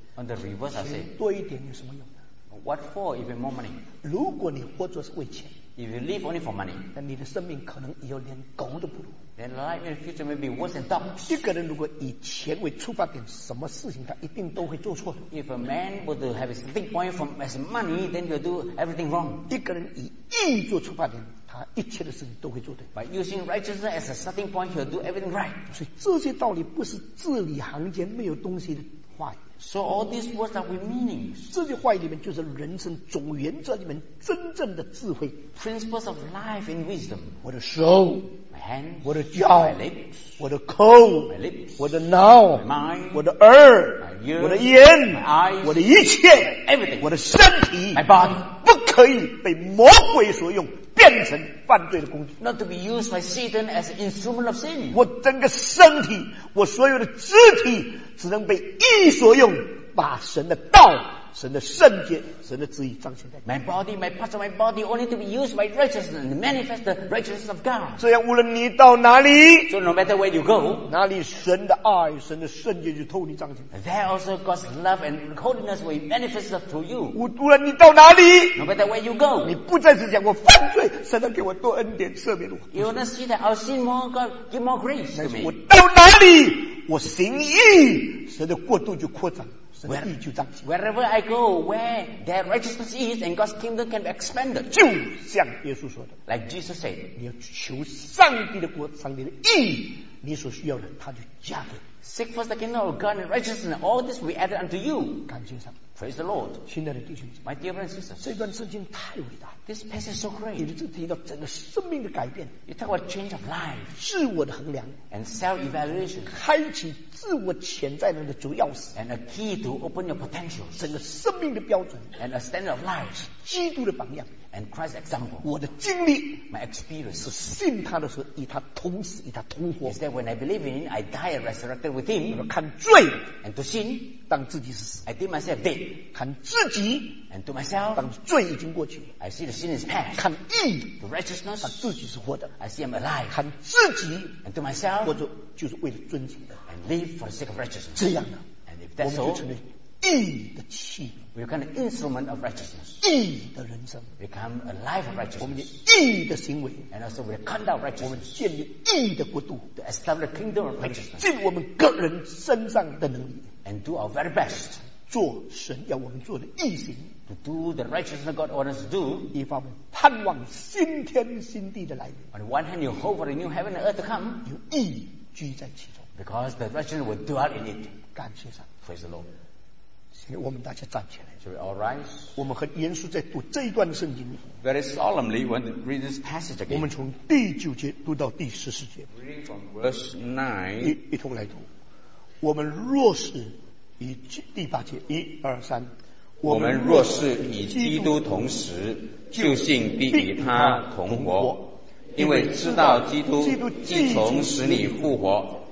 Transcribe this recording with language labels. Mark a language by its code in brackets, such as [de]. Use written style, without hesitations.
[en] ，On the reverse， [zh] 钱多一点有什么用呢 [en] ？What for even more money？ [zh] 如果你活着是为钱。 [en] If you live only for money， [zh] 那你的生命可能以后连狗都不如。 [en] Then life in the future may be worse than dogs。 [zh] 一个人如果以钱为出发点，什么事情他一定都会做错。 [en] If a man were to have a starting point from as money， then he'll do everything wrong。 [zh] 一个人以义做出发点，他一切的事情都会做对。 [en] By using righteousness as a starting point， he'll do everything right。 [zh] 所以这些道理不是字里行间没有东西的话语。 [en] So all these words are with meaning。 [zh] 这句话里面就是人生总原则里面真正的智慧。 [en] Principles of life and wisdom。 [zh] 我的手 [en] ，my hand， [zh] 我的脚 [en] ，my lips， [zh] 我的口 [en] ，my lips， [zh] 我的脑 [en] ，my mind， [zh] 我的耳 [en] ，my ears， [zh] 我的眼 [en] ，my eyes， [zh] 我的一切 [en] ，everything， [zh] 我的身体 [en] ，my body， [zh] 不可以被魔鬼所用，变成犯罪的工具。 [en] Not to be used by Satan as an instrument of sin。 [zh] 我整个身体，我所有的肢体。只能被义所用，把神的道、神的圣洁、神的旨意彰显在。 [en] My body, my parts of my body only to be used by righteousness and manifest the righteousness of God。 [zh] 这样，无论你到哪里 [en] ，So no matter where you go， [zh] 哪里神的爱、神的圣洁就透你彰显。 [en] There also God's love and holiness will manifest to you。 [zh] 无论你到哪里 [en] ，No matter where you go， [zh] 你不再是讲我犯罪，神能给我多恩典赦免我。 [en] You will not see that I'll sin more, God give more grace to me。 [zh] 我到哪里？我行义，神的国度就扩展，神的义就彰显。 [en] Wherever I go, where their righteousness is, and God's kingdom can be expanded. [zh] 就像耶稣说的 [en] ，Like Jesus said, [zh] 你要求上帝的国，上帝的义，你所需要的，他就加给。 [en] Seek first the kingdom of God and righteousness, and all this will be added unto you. [zh] 感谢神。 [en] Praise the Lord. [zh] 亲爱的弟兄姐妹 [en] ，My dear brothers and sisters, [zh] 这段圣经太伟大。 [en] This passage is so great. [zh] 你这提到整个生命的改变 [en] ，You talk about change of life, [zh] 自我的衡量 [en] ，and self evaluation, [zh] 开启自我潜在能力的主要匙 [en] ，and a key to open your potential, [zh] 整个生命的标准 [en] ，and a standard of life, [zh] 是基督的榜样 [en] ，and Christ's example. [zh] 我的经历 [en] ，my experience, [zh] 是信他的时候与他同死与他同活 [en] ，is that when I believe in him, I die and resurrected with him. [zh] 看罪 [en] ，and to sin, [zh] 当自己是死 [en] ，I did myself dead. [zh] 看自己 [en] and to myself, [zh] 当罪已经过去 [en] I see the sin is past, [zh] 看义 [en] the righteousness, [zh] 看自己是活的 [en] I see I'm alive, [zh] 看自己 [en] and to myself, [zh] 活着就是为了尊敬的 [en] and live for the sake of righteousness, [zh] 这样的 [en] and if that's [zh] 我们就成为义的器 [en] we become an instrument of righteousness, [zh] 义的人生 [en] become a life of righteousness, [zh] 我们的义的行为 [en] and also with the conduct of righteousness, [zh] 我们建立义的国度 [en] to establish the kingdom of righteousness, [zh] 尽我们个人身上的能力 [en] and do our very best, [zh] 做神要我们做的义行 [en] to do the righteousness God wants us to do [zh] 一方面盼望新天新地的来临 [en] on the one hand you hope for the new heaven and earth to come [zh] 有义居在其中 [en] because the righteousness will dwell in it [zh] 感谢神 [en] praise the Lord [zh] 请我们大家站起来 [en] shall we all rise [zh] 我们很严肃在读这一段圣经 [en] very solemnly when we read this passage again [zh] 我们从第九节读到第十四节 [en] reading from verse 9 [zh] 一同来读我们若是以第八节一二三我们若是与基督同死就信必与他同活因为知道基督既从死里复活